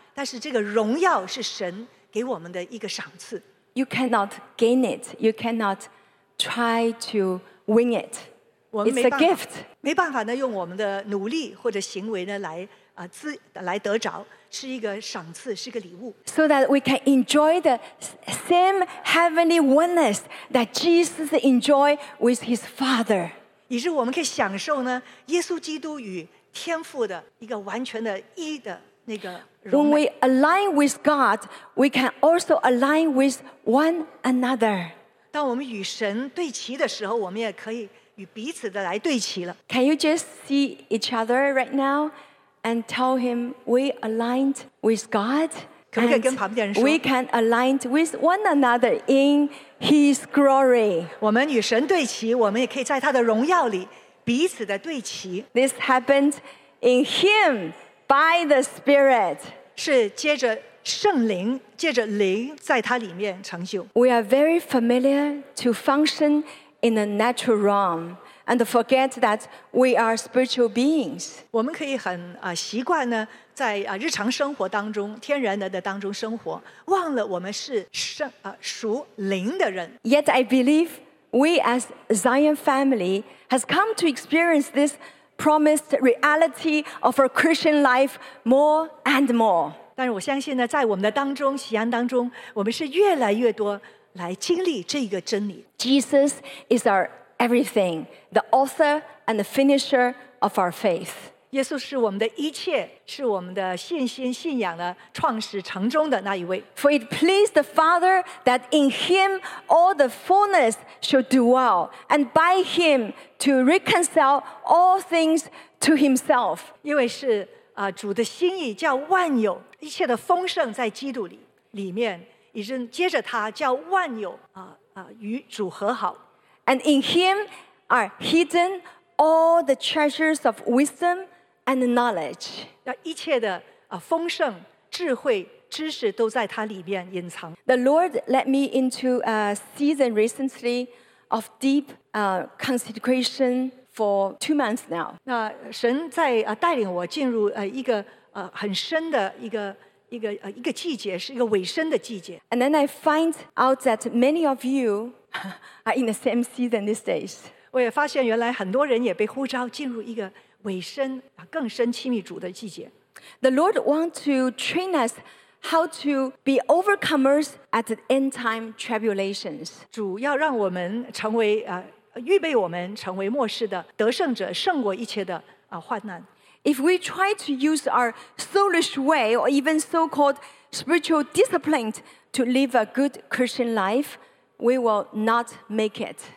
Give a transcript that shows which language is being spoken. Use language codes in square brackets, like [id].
[zh] 但是这个荣耀是神给我们的一个赏赐。 [en] You cannot gain it. You cannot try to win it. It's a gift. [zh] 没办法呢，用我们的努力或者行为呢来得着，是一个赏赐，是个礼物。 [en] So that we can enjoy the same heavenly oneness that Jesus enjoyed with His Father. [zh] 以致我们可以享受呢，耶稣基督与天父的一个完全的一的。 [en] When we align with God, we can also align with one another. [zh] 当我们与神对齐的时候，我们也可以与彼此的来对齐了。 [en] Can you just see each other right now and tell him we aligned with God? [zh] 可不可以跟旁边人说 [en] ？We can align with one another in His glory. [zh] 我们与神对齐，我们也可以在他的荣耀里彼此的对齐。 [en] This happened in Him. By the Spirit, [zh] 是接着圣灵，接着灵在他里面成就。 [en] We are very familiar to function in the natural realm and forget that we are spiritual beings. [zh] 我们可以很习惯呢，在日常生活当中、天然的当中生活，忘了我们是属灵的人。 [en] Yet I believe we as Zion family has come to experience this. Promised reality of a Christian life more and more. [zh] 但是我相信呢，在我们的当中，喜安当中，我们是越来越多来经历这个真理。 [en] Jesus is our everything, the author and the finisher of our faith. [zh] 耶稣是我们的一切，是我们的信心信仰的创始成终的那一位。 [en] For it pleased the Father that in him all the fullness should dwell, and by him to reconcile all things to himself. [zh] 因为是主的心意叫万有一切的丰盛在基督里里面，以致接着他叫万有与主和好。 [en] And in him are hidden all the treasures of wisdom and knowledge. [zh] 一切的丰盛智慧知识都在他里面隐藏。 [en] The Lord led me into a season recently of deep consecration for 2 months now. [zh] 那神在带领我进入一个很深的一个季节，是一个尾声的季节。 [en] And then I find out that many of you are in the same season these days. [zh] 我也发现原来很多人也被呼召进入一个尾声，更深亲密主的季节。 [en] The Lord wants to train us how to be overcomers at the end time tribulations. [zh] 主要让我们成为预备我们成为末世的得胜者，胜过一切的患难。 [en] If we try to use our soulish way or even so-called spiritual discipline to live a good Christian life, we will not make it.